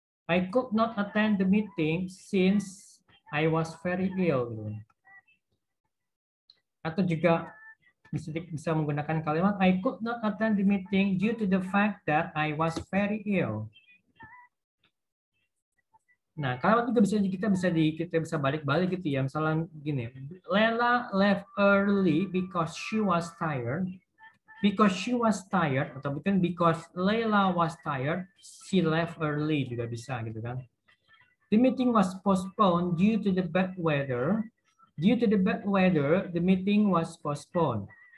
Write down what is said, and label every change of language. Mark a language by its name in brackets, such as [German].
[English] I could not attend the meeting since I was very ill. [Indonesian] Gitu. Atau juga bisa menggunakan kalimat [English] I could not attend the meeting due to the fact that I was very ill. [Indonesian] Nah, kalimat juga bisa kita bisa balik-balik gitu ya. Misalnya gini, [English] Lela left early because she was tired. Because she was tired [Indonesian] atau mungkin [English] because Lela was tired, she left early [Indonesian] juga bisa gitu kan. [English] The meeting was postponed due to the bad weather. Due to the bad weather, the meeting was postponed.